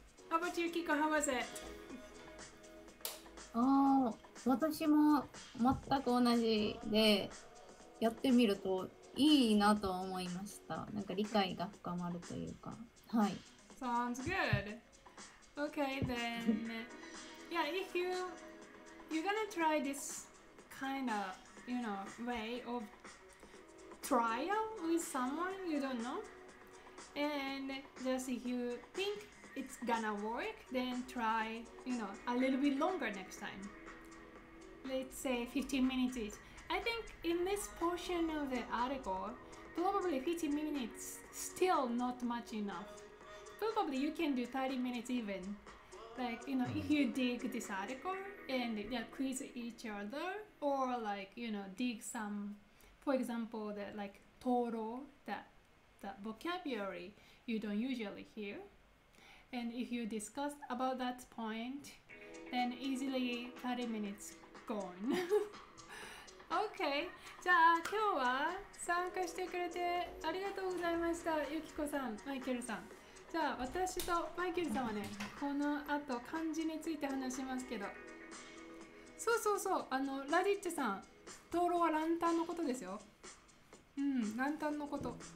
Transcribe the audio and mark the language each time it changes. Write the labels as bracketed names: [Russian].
[English] How about you, Kiko? How was it? [Japanese] ああ、私も全く同じで、やってみるといいなと思いました。なんか理解が深まるというか、はい。 [English] Sounds good. Okay, then. Yeah, if you're gonna try this kind of, you know, way of trial with someone you don't know, and just if you think it's gonna work, then try, you know, a little bit longer next time. Let's say 15 minutes each. I think in this portion of the article, probably 15 minutes still not much enough. Probably you can do 30 minutes even. like, you know, if you dig this article and yeah, quiz each other, or like, you know, dig some, for example, that like toro, that vocabulary you don't usually hear. And if you discuss about that point, then easily 30 minutes gone. [Japanese] OK, じゃあ今日は参加してくれてありがとうございました、ゆきこさん、マイケルさん。じゃあ私とマイケルさんはね、このあと漢字について話しますけど、そうそうそう、あのラディッチさん、灯籠はランタンのことですよ。うん、ランタンのこと。